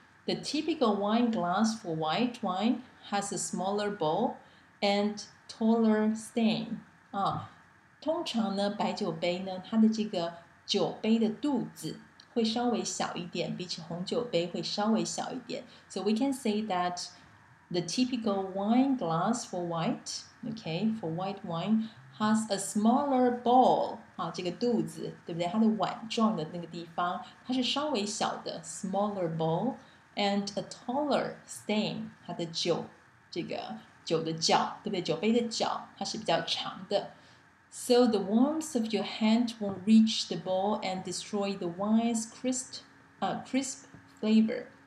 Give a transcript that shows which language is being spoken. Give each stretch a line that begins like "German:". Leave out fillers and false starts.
English: The typical wine glass for white wine has a smaller bowl and taller stem.
Chinese: 啊，通常呢，白酒杯呢，它的这个酒杯的肚子会稍微小一点，比起红酒杯会稍微小一点。
English: So we can say that the typical wine glass for white, okay, for white wine has a smaller bowl.
Chinese: 啊，这个肚子，对不对？它的碗状的那个地方，它是稍微小的 ，
English: smaller bowl. And a taller stem,
Chinese: 它的酒，这个酒的角，对不对？酒杯的角，它是比较长的。
English: So the warmth of your hand won't reach the bowl and destroy the wine's crisp flavor.